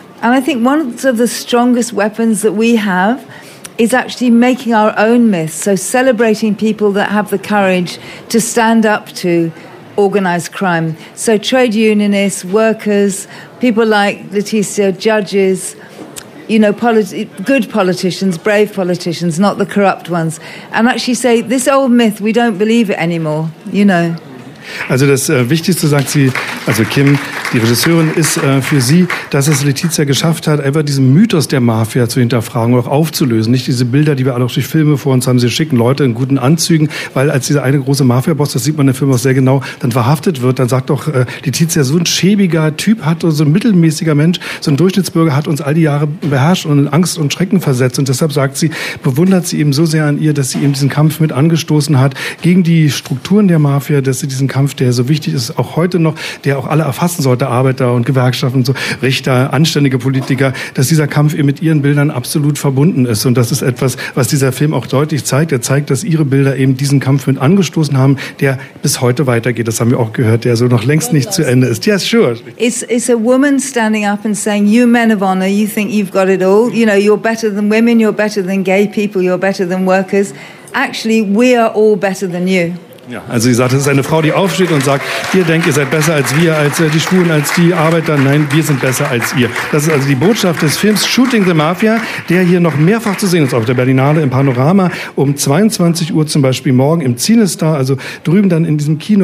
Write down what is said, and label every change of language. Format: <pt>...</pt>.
<en>And I think one of the strongest weapons that we have is actually making our own myths, so celebrating people that have the courage to stand up to organized crime. So trade unionists, workers, people like Leticia, judges, you know, good politicians, brave politicians, not the corrupt ones. And actually say, this old myth, we don't believe it anymore, you know.</en> <de>Also das Wichtigste, sagt sie, also Kim, die Regisseurin, ist für sie, dass es Letizia geschafft hat, einfach diesen Mythos der Mafia zu hinterfragen und auch aufzulösen. Nicht diese Bilder, die wir alle auch durch Filme vor uns haben, sie schicken Leute in guten Anzügen, weil als dieser eine große Mafia-Boss, das sieht man im Film auch sehr genau, dann verhaftet wird, dann sagt doch Letizia, so ein schäbiger Typ hat, so ein mittelmäßiger Mensch, so ein Durchschnittsbürger hat uns all die Jahre beherrscht und in Angst und Schrecken versetzt. Und deshalb sagt sie, bewundert sie eben so sehr an ihr, dass sie eben diesen Kampf mit angestoßen hat gegen die Strukturen der Mafia, dass sie diesen Kampf, der so wichtig ist, auch heute noch, der auch alle erfassen sollte, Arbeiter und Gewerkschaften, so Richter, anständige Politiker, dass dieser Kampf eben mit ihren Bildern absolut verbunden ist. Und das ist etwas, was dieser Film auch deutlich zeigt. Er zeigt, dass ihre Bilder eben diesen Kampf mit angestoßen haben, der bis heute weitergeht. Das haben wir auch gehört, der so noch längst nicht zu Ende ist.</de> <en>Yes, sure. It's a woman standing up and saying, you men of honor, you think you've got it all. You know, you're better than women, you're better than gay people, you're better than workers. Actually, we are all better than you.</en> <de>Ja, also sie sagt, es ist eine Frau, die aufsteht und sagt, ihr denkt, ihr seid besser als wir, als die Schwulen, als die Arbeiter. Nein, wir sind besser als ihr. Das ist also die Botschaft des Films Shooting the Mafia, der hier noch mehrfach zu sehen ist auf der Berlinale im Panorama um 22 Uhr zum Beispiel morgen im CineStar, also drüben dann in diesem Kino.</de>